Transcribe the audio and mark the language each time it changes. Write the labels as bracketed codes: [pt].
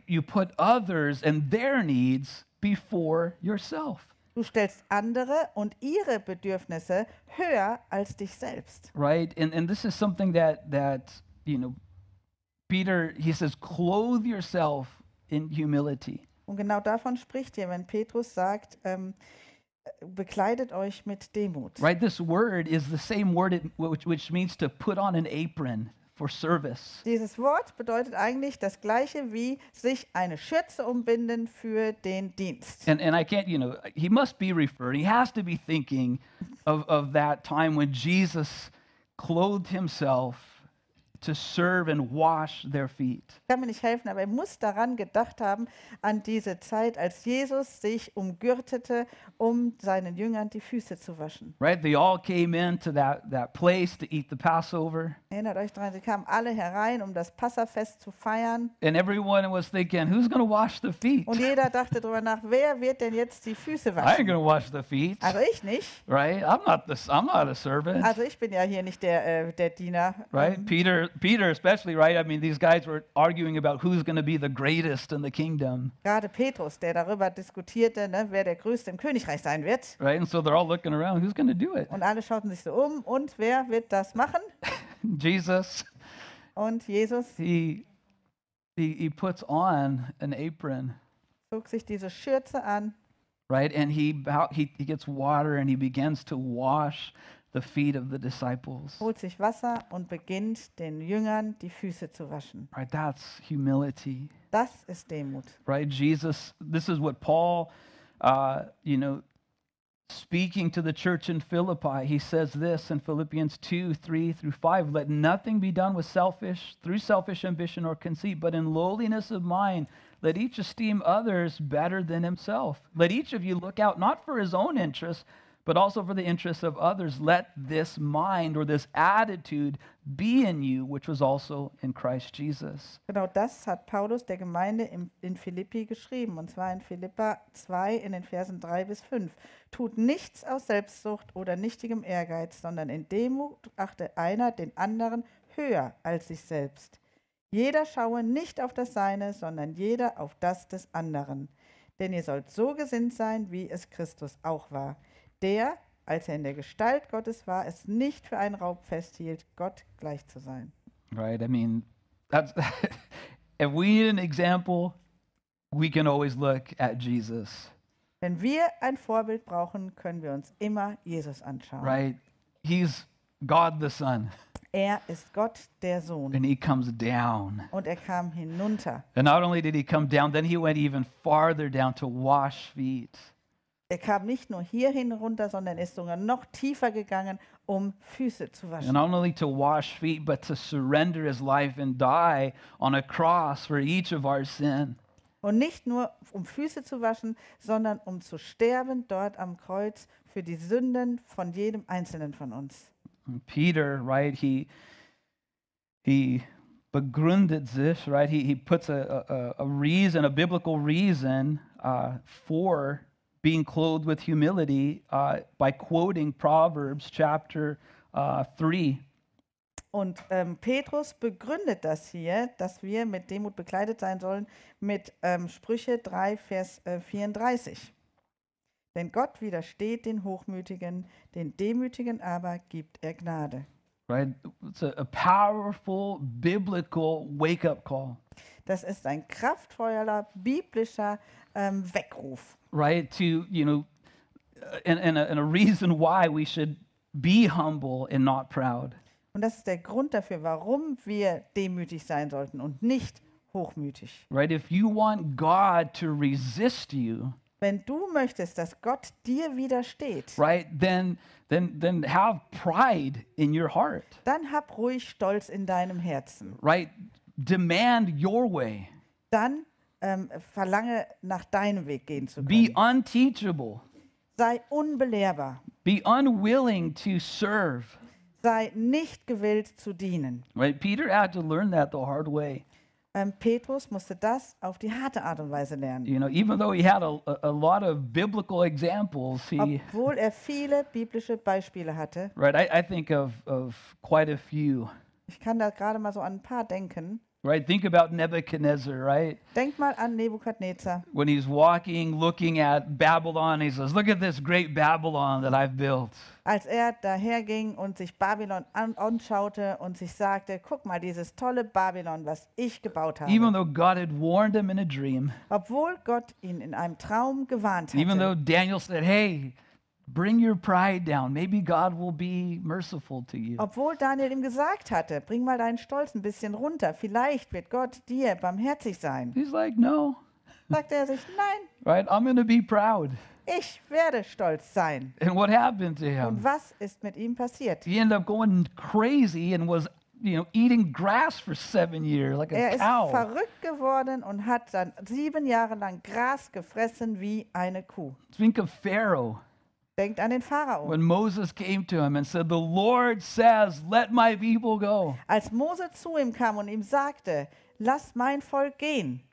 [en] You put others and their needs before yourself. [de] Du stellst andere und ihre Bedürfnisse höher als dich selbst. [en] Right? And this is something that you know, Peter, he says, clothe yourself in humility. [de] Und genau davon spricht hier, wenn Petrus sagt, bekleidet euch mit Demut. [en] Right, this word is the same word which means to put on an apron for service. [de] Dieses Wort bedeutet eigentlich das gleiche wie sich eine Schürze umbinden für den Dienst. [en] And I can't, you know, he must be referring, he has to be thinking of that time when Jesus clothed himself to serve and wash their feet. [de] Ich kann mir nicht helfen, aber er muss daran gedacht haben, an diese Zeit, als Jesus sich umgürtete, um seinen Jüngern die Füße zu waschen. [en] Right, they all came in to that place to eat the Passover. [de] Erinnert euch daran, sie kamen alle herein, um das Passafest zu feiern. [en] And everyone was thinking, who's going to wash the feet? [de] Und jeder dachte darüber nach, wer wird denn jetzt die Füße waschen? [en] I ain't going to wash the feet. [de] Also ich nicht. [en] Right, I'm not a servant. [de] Also ich bin ja hier nicht der Diener. [en] Right, Peter especially, right? I mean, these guys were arguing about who's going to be the greatest in the kingdom. [de] Gerade Petrus, der darüber diskutierte, ne, wer der Größte im Königreich sein wird. [en] Right, and so they're all looking around, who's going to do it? [de] Und alle schauten sich so um, und wer wird das machen? [en] Jesus. [de] Und Jesus. [en] He puts on an apron. [de] Zog sich diese Schürze an. [en] Right, and he gets water and he begins to wash the feet of the disciples. [de] Holt sich Wasser und beginnt den Jüngern die Füße zu waschen. [en] Right, that's humility. [de] Das ist Demut. [en] Right, Jesus, this is what Paul, you know, speaking to the church in Philippi, he says this in Philippians 2:3-5, let nothing be done through selfish ambition or conceit, but in lowliness of mind, let each esteem others better than himself. Let each of you look out not for his own interests, but also for the interests of others. Let this mind or this attitude be in you, which was also in Christ Jesus. [de] Genau das hat Paulus der Gemeinde in Philippi geschrieben, und zwar in Philippa 2 in den Versen 3-5. Tut nichts aus Selbstsucht oder nichtigem Ehrgeiz, sondern in Demut achte einer den anderen höher als sich selbst. Jeder schaue nicht auf das Seine, sondern jeder auf das des anderen. Denn ihr sollt so gesinnt sein, wie es Christus auch war, der, als er in der Gestalt Gottes war, es nicht für einen Raub festhielt, Gott gleich zu sein. [en] Right, I mean, that's, if we need an example, we can always look at Jesus. [de] Wenn wir ein Vorbild brauchen, können wir uns immer Jesus anschauen. [en] Right, he's God the Son. [de] Er ist Gott, der Sohn. [en] And he comes down. [de] Und er kam hinunter. [en] And not only did he come down, then he went even farther down to wash feet. [de] Er kam nicht nur hierhin runter, sondern ist sogar noch tiefer gegangen, um Füße zu waschen. [en] And not only to wash feet, but to surrender his life and die on a cross for each of our sin. [de] Und nicht nur um Füße zu waschen, sondern um zu sterben dort am Kreuz für die Sünden von jedem einzelnen von uns. [en] And Peter, right? He [de] begründet sich, [en] right? He puts a reason, a biblical reason, for being clothed with humility by quoting Proverbs chapter 3. [de] Und Petrus begründet das hier, dass wir mit Demut bekleidet sein sollen, mit Sprüche 3, Vers 34. Denn Gott widersteht den Hochmütigen, den Demütigen aber gibt er Gnade. [en] Right, it's a powerful biblical wake-up call. [de] Das ist ein kraftvoller biblischer Weckruf. [en] Right, to, you know, and a reason why we should be humble and not proud. [de] Und das ist der Grund dafür, warum wir demütig sein sollten und nicht hochmütig. [en] Right, if you want God to resist you, [de] wenn du möchtest, dass Gott dir widersteht, [en] right, then have pride in your heart. [de] Dann hab ruhig Stolz in deinem Herzen. [en] Right, Demand your way. [de] Dann verlange, nach deinem Weg gehen zu können. [en] Be unteachable. [de] Sei unbelehrbar. [en] Be unwilling to serve. [de] Sei nicht gewillt zu dienen. [en] Right? Peter had to learn that the hard way. [de] Petrus musste das auf die harte Art und Weise lernen. [en] You know, even though he had a lot of biblical examples, he [de] obwohl er viele biblische Beispiele hatte. [en] Right, I think of quite a few. [de] Ich kann da gerade mal so an ein paar denken. [en] Right, think about Nebuchadnezzar, right? [de] Denk mal an Nebuchadnezzar. [en] When he's walking, looking at Babylon, he says, "Look at this great Babylon that I've built." [de] Als er daherging und sich Babylon anschaute und sich sagte, guck mal, dieses tolle Babylon, was ich gebaut habe. [en] Even though God had warned him in a dream. [de] Obwohl Gott ihn in einem Traum gewarnt hatte. [en] Even though Daniel said, "Hey, bring your pride down. Maybe God will be merciful to you." [de] Obwohl Daniel ihm gesagt hatte, bring mal deinen Stolz ein bisschen runter. Vielleicht wird Gott dir barmherzig sein. [en] He's like, no. [de] Sagt er sich, nein. [en] Right, I'm going to be proud. [de] Ich werde stolz sein. [en] And what happened to him? [de] Und was ist mit ihm passiert? [en] He ended up going crazy and was, you know, eating grass for 7 years like a cow. [de] Er ist verrückt geworden und hat dann 7 Jahre lang Gras gefressen wie eine Kuh. [en] Think of Pharaoh. [de] Denkt an den Pharao. [en] When Moses came to him and said, "The Lord says, let my people go." [de] Als Mose zu ihm kam und ihm sagte, lass mein Volk gehen.